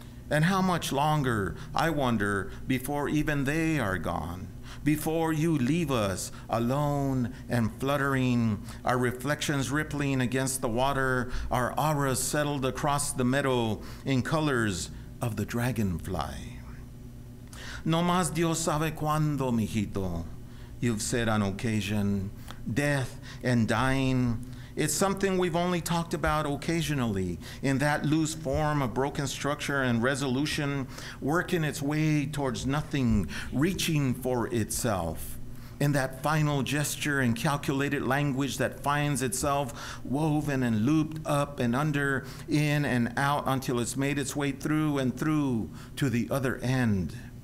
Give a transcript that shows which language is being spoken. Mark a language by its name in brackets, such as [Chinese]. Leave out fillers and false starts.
[English] And how much longer, I wonder, before even they are gone, before you leave us alone and fluttering, our reflections rippling against the water, our auras settled across the meadow in colors of the dragonfly. [Spanish] No más Dios sabe cuándo, mijito, [English] you've said on occasion. Death and dying, it's something we've only talked about occasionally in that loose form of broken structure and resolution, working its way towards nothing, reaching for itself. In that final gesture and calculated language that finds itself woven and looped up and under, in and out until it's made its way through and through to the other end.